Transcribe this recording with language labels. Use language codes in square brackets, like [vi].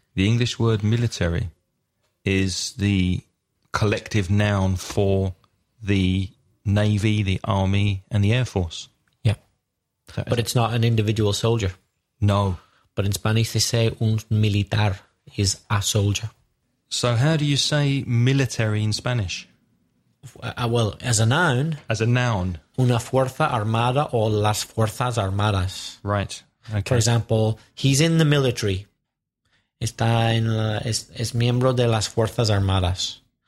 [en] The English word military is the collective noun for the Navy, the Army, and the Air Force. Yeah. But it's not an individual soldier. No. But in Spanish they say un militar is a soldier. So how do you say military in Spanish? Well, as a noun. As a noun. [es] Una fuerza armada o las fuerzas armadas. [en] Right. Okay. For example, he's in the military. [es] Está en la, es miembro de las fuerzas armadas.